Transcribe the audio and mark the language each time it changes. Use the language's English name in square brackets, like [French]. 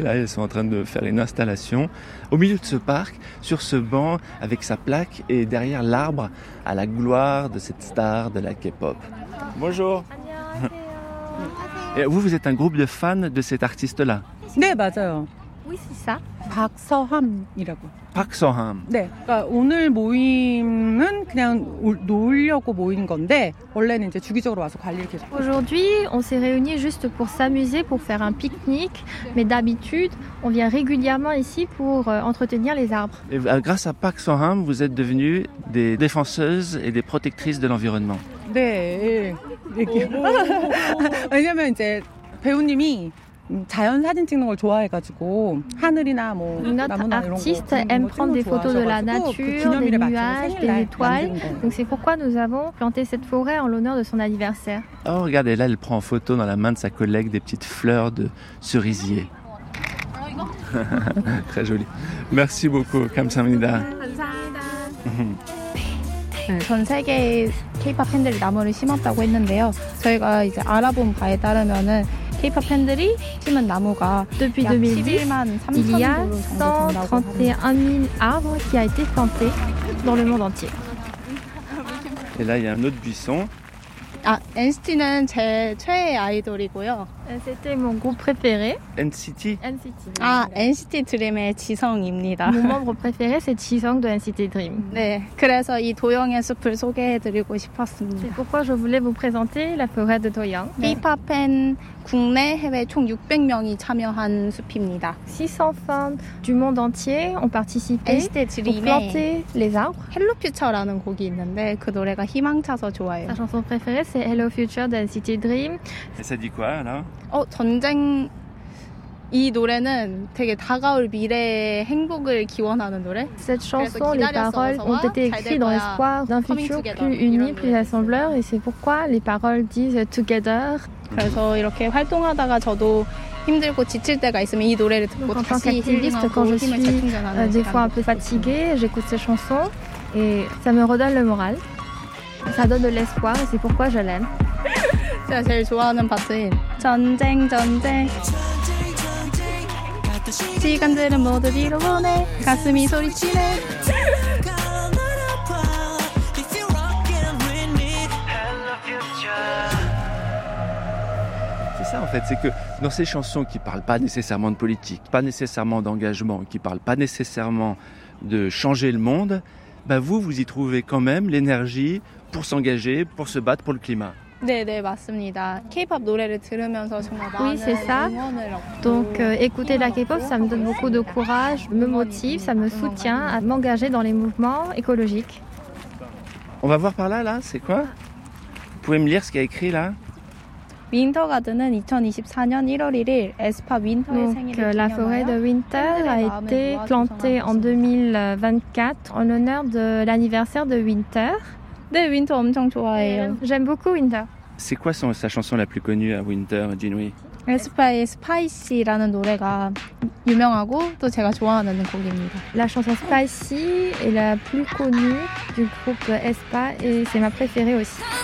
[French] Là, elles sont en train de faire une installation au milieu de ce parc, sur ce banc avec sa plaque et derrière l'arbre à la gloire de cette star de la K-pop. Bonjour. Et vous êtes un groupe de fans de cet artiste-là? Oui, [Korean] 맞아요. [French] Oui, c'est ça. [Korean] 박서함이라고. 박서함. 네. 그러니까 오늘 모임은 그냥 놀려고 모인 건데 원래는 이제 주기적으로 와서 관리를 계속. [French] Aujourd'hui, on s'est réunis juste pour s'amuser, pour faire un pique-nique, mais d'habitude, on vient régulièrement ici pour entretenir les arbres. Et grâce à 박서함, vous êtes devenues des défenseuses et des protectrices de l'environnement. [Korean] 네. 왜냐면 이제 배우님이 자연 사진 찍는 걸 좋아해가지고 하늘이나 뭐 나무나 이런 거 [French] aime prendre des photos de la nature, des nuages, des étoiles. Donc c'est pourquoi nous avons planté cette forêt en l'honneur de son anniversaire. Oh, regardez là, elle prend en photo dans la main de sa collègue des petites fleurs de cerisier. Très joli. Merci beaucoup. [Korean] 감사합니다. 전 세계에 K-pop 팬들이 나무를 심었다고 했는데요. 저희가 이제 알아본 바에 따르면은 K-pop 팬들이 심은 나무가 [French] depuis 2010, il y a 131,000 arbres qui a été planté dans le monde entier. Et là, il y a un autre buisson. [Korean] Ah, NCT는 제 최애 아이돌이고요. [French] NCT est mon groupe préféré. NCT? NCT. [Korean] Ah, NCT Dream의 지성입니다. [French] Mon membre préféré, c'est 지성 de NCT Dream. [Korean] 네, 그래서 이 도영의 숲을 소개해드리고 싶었습니다. [French] C'est pourquoi je voulais vous présenter la forêt de Doyang. [Korean] K-pop 팬 국내 해외 총 600명이 참여한 숲입니다. [French] 600 fans du monde entier ont participé. [Korean] NCT Dream의 [French] pour planter les arbres. [Korean] Hello Future라는 곡이 있는데 그 노래가 희망차서 좋아요. [French] Sa chanson préférée, c'est Hello Future de NCT Dream. Et ça dit quoi, là? [Korean] 어, 전쟁 이 노래는 되게 다가올 미래의 행복을 기원하는 노래. [French] Cette chanson, les paroles ont été écrites dans l'espoir d'un futur plus uni, plus rassembleur, et c'est pourquoi les paroles disent together. [Korean] 그래서 이렇게 활동하다가 저도 힘들고 지칠 때가 있으면 이 노래를 듣고 다시 힘을 찾는다는 시간. [French] Des fois un peu fatiguée, j'écoute cette chanson et ça me redonne le moral. Ça donne de l'espoir, et c'est pourquoi je l'aime. [Korean] 제가 제일 좋아하는 파트인 전쟁 전쟁 시간들은 모두 뒤로 보내 가슴이 소리치네 [French] En fait, c'est que dans ces chansons qui ne parlent pas nécessairement de politique, pas nécessairement d'engagement, qui ne parlent pas nécessairement de changer le monde, bah vous, vous y trouvez quand même l'énergie pour s'engager, pour se battre pour le climat. [Korean] 네, 네, 맞습니다. K-pop 노래를 들으면서 정말 많은 [French] Oui, c'est ça. Donc, écouter la K-pop, ça me donne beaucoup de courage, me motive, ça me soutient à m'engager dans les mouvements écologiques. On va voir par là, là, c'est quoi ? Vous pouvez me lire ce qu'il y a écrit là ? [Korean] Wintergarden은 2024년 1월 1일 에스파 윈터의 [French] Donc, [Korean] 생일을 [French] la forêt de Winter a été plantée en 2024 en honneur de l'anniversaire de Winter. [Korean] 네, Winter 엄청 좋아해요. [French] J'aime beaucoup Winter. C'est quoi sa chanson la plus connue à Winter, Jinwi? [Korean] 에스파의 Spicy라는 노래가 유명하고 또 제가 좋아하는 곡입니다. [French] La chanson Spicy est la plus connue du groupe Espa et c'est ma préférée aussi.